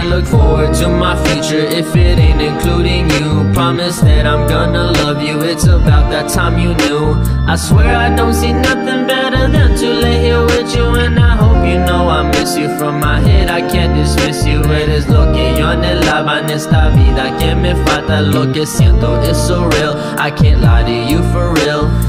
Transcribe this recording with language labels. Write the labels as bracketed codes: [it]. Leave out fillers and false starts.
[en] forward to my future if it ain't including you. Promise that I'm gonna love you, it's about that time you knew. I swear I don't see nothing better than to lay here with you. And I hope you know I miss you, from my head I can't dismiss you. [es] Eres lo que yo anhelaba en esta vida que me falta. Lo que siento es [en] so real, I can't lie to you for real.